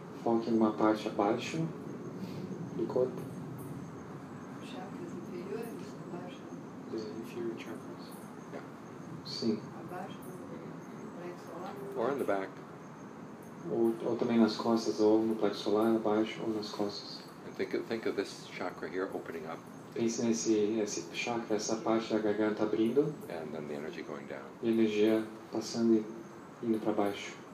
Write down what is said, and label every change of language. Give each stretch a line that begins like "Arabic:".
Portuguese: Foque numa parte abaixo do corpo. Chakras inferiores, abaixo.
English: The inferior chakras. Yeah.
Portuguese: Sim. Abaixo do plexo
English: solar. Or in the back.
Portuguese: Ou também nas costas, ou no plexo solar, abaixo ou nas costas.
English: And think of this chakra here opening up.
Portuguese: Pense nesse chakra, essa parte da garganta abrindo.
English: And then the energy going down.
Portuguese: E a energia passando e indo para baixo.